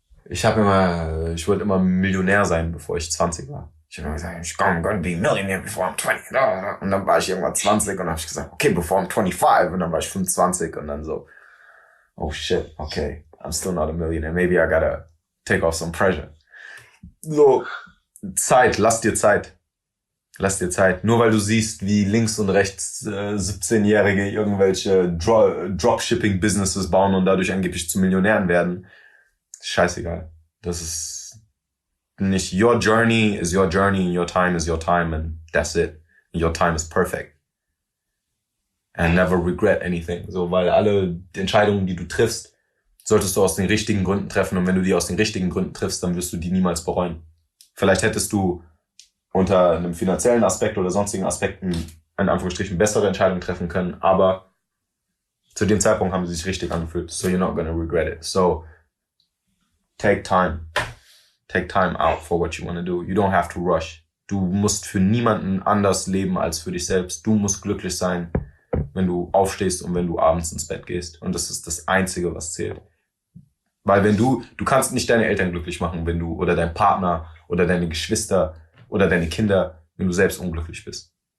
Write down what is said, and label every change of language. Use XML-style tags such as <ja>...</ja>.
<de>Ich wollte immer Millionär sein, bevor ich 20 war. Ich habe immer gesagt,</de> <en>I'm gonna be a millionaire before I'm 20.</en> <de>Und dann war ich irgendwann 20 und habe ich gesagt, okay,</de> <en>before I'm 25.</en> <de>Und dann war ich 25 und dann so,</de> <en>oh shit,</en> <de>okay.</de> <en>I'm still not a millionaire. Maybe I gotta take off some pressure.</en> <de>So, Zeit, lass dir Zeit. Lass dir Zeit. Nur weil du siehst, wie links und rechts 17-Jährige irgendwelche Dropshipping-Businesses bauen und dadurch angeblich zu Millionären werden. Scheißegal. Das ist nicht</de> <en>your journey is your journey and your time is your time and that's it. And your time is perfect. And never regret anything.</en> <de>So, weil alle Entscheidungen, die du triffst, solltest du aus den richtigen Gründen treffen. Und wenn du die aus den richtigen Gründen triffst, dann wirst du die niemals bereuen. Vielleicht hättest du unter einem finanziellen Aspekt oder sonstigen Aspekten in Anführungsstrichen bessere Entscheidungen treffen können, aber zu dem Zeitpunkt haben sie sich richtig angefühlt.</de> <en>So you're not gonna regret it. So take time. Take time out for what you wanna do. You don't have to rush.</en> <de>Du musst für niemanden anders leben als für dich selbst. Du musst glücklich sein, wenn du aufstehst und wenn du abends ins Bett gehst. Und das ist das Einzige, was zählt. Weil wenn du kannst nicht deine Eltern glücklich machen, wenn du oder dein Partner oder deine Geschwister oder deine Kinder, wenn du selbst unglücklich bist.</de>